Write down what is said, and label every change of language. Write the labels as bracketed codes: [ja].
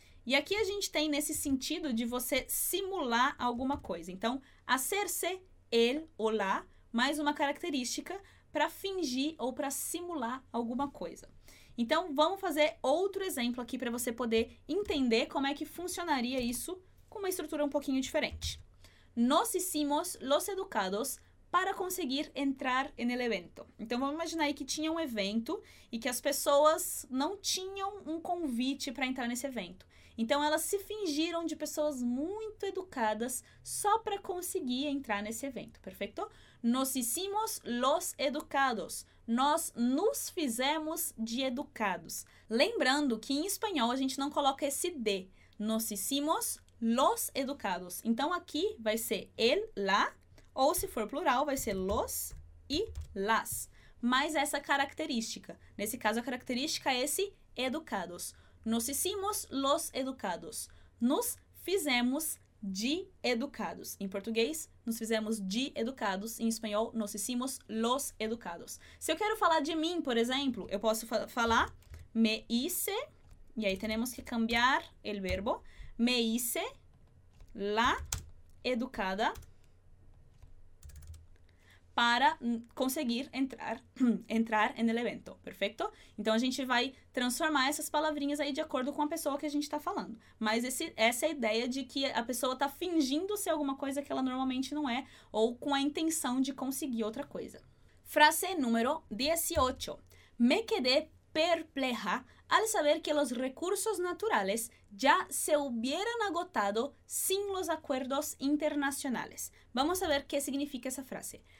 [pt] E aqui a gente tem nesse sentido de você simular alguma coisa. Então, hacerse, el ou la, mais uma característica para fingir ou para simular alguma coisa. Então, vamos fazer outro exemplo aqui para você poder entender como é que funcionaria isso com uma estrutura um pouquinho diferente. [es] Nos hicimos los educados para conseguir entrar en el evento. [pt] Então, vamos imaginar aí que tinha um evento e que as pessoas não tinham um convite para entrar nesse evento. Então, elas se fingiram de pessoas muito educadas só para conseguir entrar nesse evento, perfeito? [es] Nos hicimos los educados. [pt] Nós nos fizemos de educados. Lembrando que em espanhol a gente não coloca esse D. [es] Nos hicimos los educados. [pt] Então, aqui vai ser el, la, ou se for plural, vai ser los e las. Mas essa característica, nesse caso a característica é esse educados. [es] Nos hicimos los educados. [pt] Nos fizemos de educados. Em português, nos fizemos de educados. Em espanhol, [es] nos hicimos los educados. [pt] Se eu quero falar de mim, por exemplo, eu posso falar [es] me hice. [pt] E aí, temos que cambiar o verbo. [es] Me hice la educada [pt] para conseguir entrar no evento, perfeito? Então, a gente vai transformar essas palavrinhas aí de acordo com a pessoa que a gente está falando. Mas essa é a ideia de que a pessoa está fingindo ser alguma coisa que ela normalmente não é, ou com a intenção de conseguir outra coisa. Frase número 18. [es] Me quedé perpleja al saber que los recursos naturales ya se hubieran agotado sin los acuerdos internacionales. Vamos a ver qué significa esa frase.